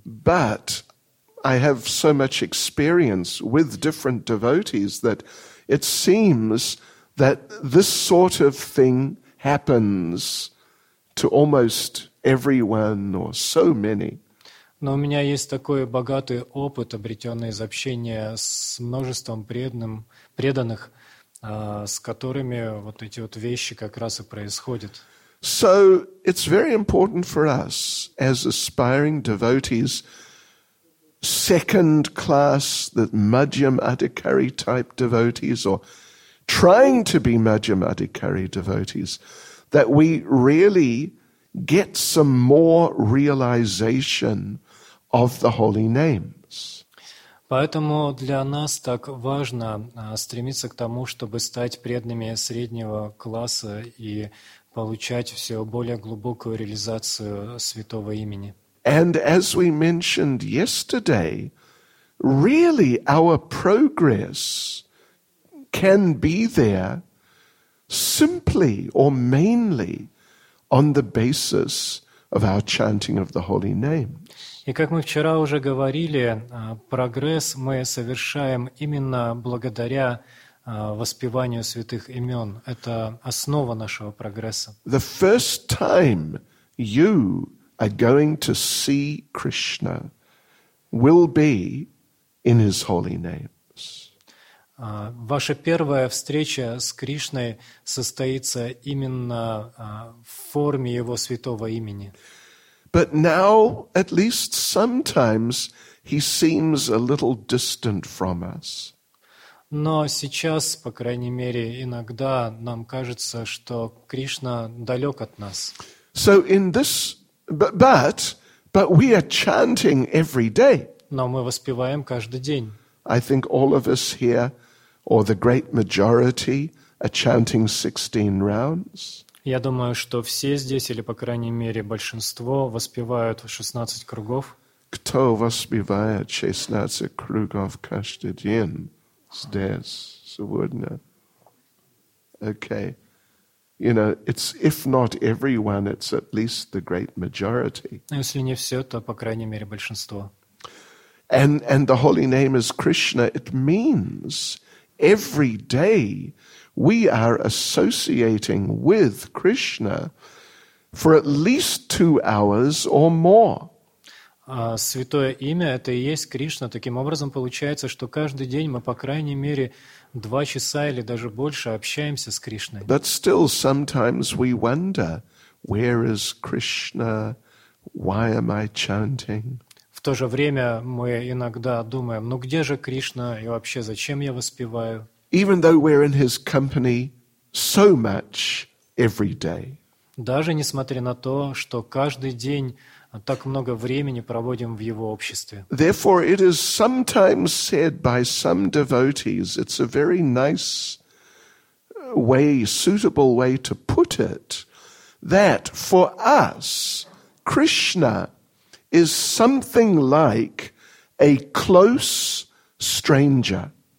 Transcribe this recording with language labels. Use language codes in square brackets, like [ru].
[en] But I have so much experience with different devotees that it seems that this sort of thing happens to almost everyone or so many. [ru] Но у меня есть такой богатый опыт, обретенный из общения с множеством преданных, с которыми вот эти вот вещи как раз и происходят. [en] So it's very important for us as aspiring devotees, second class, the Madhyam Adhikari type devotees, or trying to be Madhyam Adhikari devotees, that we really get some more realization of the holy names. [ru] Поэтому для нас так важно стремиться к тому, чтобы стать преданными среднего класса и получать все более глубокую реализацию святого имени. [en] And as we mentioned yesterday, really our progress can be there simply or mainly on the basis of our chanting of the holy name. [ru] И как мы вчера уже говорили, прогресс мы совершаем именно благодаря воспеванию святых имен. Это основа нашего прогресса. [en] The first time you are going to see Krishna will be in his holy name. [ru] Ваша первая встреча с Кришной состоится именно в форме Его святого имени. [en] But now, at least sometimes, he seems a little distant from us. [ru] Но сейчас, по крайней мере, иногда нам кажется, что Кришна далек от нас. [en] So in this, but we are chanting every day. [ru] Но мы воспеваем каждый день. [en] I think all of us here, or the great majority, are chanting 16 rounds. [ru] Я думаю, что все здесь, или по крайней мере большинство, воспевают 16 кругов. Кто воспевает 16 кругов каждый день здесь сегодня? [en] Okay, you know, it's if not everyone, it's at least the great majority. [ru] Если не все, то по крайней мере большинство. [en] And the holy name is Krishna. It means every day we are associating with Krishna for at least 2 hours or more. [ru] Святое имя – это и есть Кришна. Таким образом, получается, что каждый день мы, по крайней мере, 2 часа или даже больше общаемся с Кришной. [en] But still, sometimes we wonder, where is Krishna? Why am I chanting? [ru] В то же время мы иногда думаем, ну где же Кришна и вообще зачем я воспеваю? [en] Even though we're in his company so much every day. [ru] Даже несмотря на то, что каждый день так много времени проводим в его обществе. [en] Therefore, it is sometimes said by some devotees, it's a very nice way, suitable way to put it, that for us, Krishna is something like a close stranger.